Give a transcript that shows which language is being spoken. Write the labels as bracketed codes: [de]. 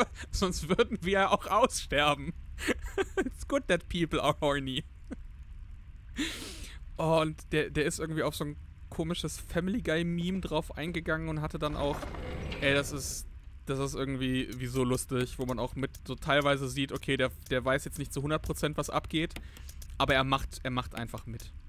[de] sonst würden wir ja auch aussterben. [en] It's good that people are horny. [de] Und der ist irgendwie auf so ein komisches Family Guy-Meme drauf eingegangen und hatte dann auch, ey, das ist, Das ist irgendwie wie so lustig, wo man auch mit so teilweise sieht, okay, der weiß jetzt nicht zu 100%, was abgeht, aber er macht einfach mit.